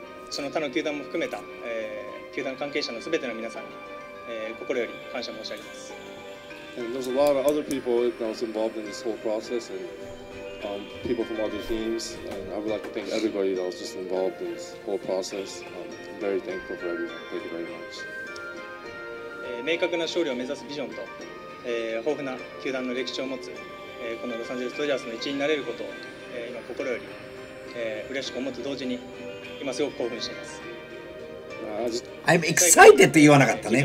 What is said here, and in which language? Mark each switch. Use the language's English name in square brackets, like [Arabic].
[Japanese] その他の球団も含めた、球団関係者のすべての皆さんに、心より感謝申し上げます。 [English] And there's a lot of other people that was involved in this whole process and、people from other teams. And I would like to thank everybody that was just involved in this whole process. I'm very thankful for everyone. Thank you very much. [Japanese] 明確な勝利を目指すビジョンと、豊富な球団の歴史を持つ、このロサンゼルス・ドジャースの一員になれることを、今心より、嬉しく思うと同時に今すごく興奮しています。 [English] I'm excited [Japanese] って言わなかったね。